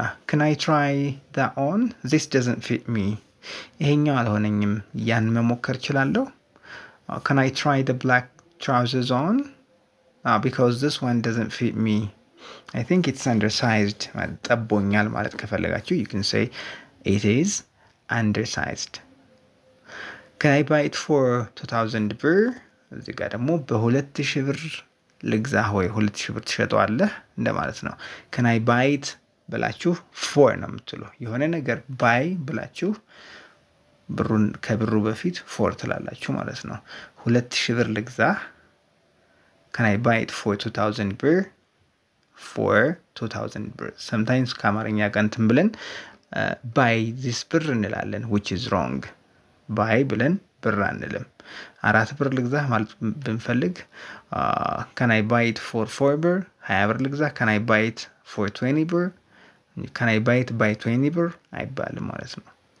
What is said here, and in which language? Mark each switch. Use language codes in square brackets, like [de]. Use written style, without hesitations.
[en] can I try that on this doesn't fit me [am] ይሄኛው አልሆነኝም ያን መሞከር ይችላልው [en] can I try the black trousers on because this one doesn't fit me I think it's undersized [am] ጠቦኛል ማለት ከፈለጋችሁ [en] you can say it is undersized Can I buy it for 2,000 birr? [am] እዚህ ጋር ደግሞ በ2000 ብር ልግዛ ወይ 2000 ብር ትሸጣለህ እንደማለት ነው። [en] Can I buy it [am] ብላችሁ for ነው የምትለው። የሆነ ነገር buy ብላችሁ ብሩን ከብሩ በፊት for ትላላችሁ ማለት ነው። 2000 ብር ልግዛ [en] Can I buy it for 2,000 birr? For 2,000 birr. Sometimes [am] ከአማርኛ ጋር እንትን ብለን [en] buy this birr [am] እንላለን [en] which is wrong. buy [am] ብለን ብር አንልም አራት ብር ልግዛ ማለት ብንፈልግ [en] can i buy it for 4 birr [am] 20 ብር ልግዛ [en] can i buy it for 20 birr can i buy it by 20 birr [am] አይባልም ማለት ነው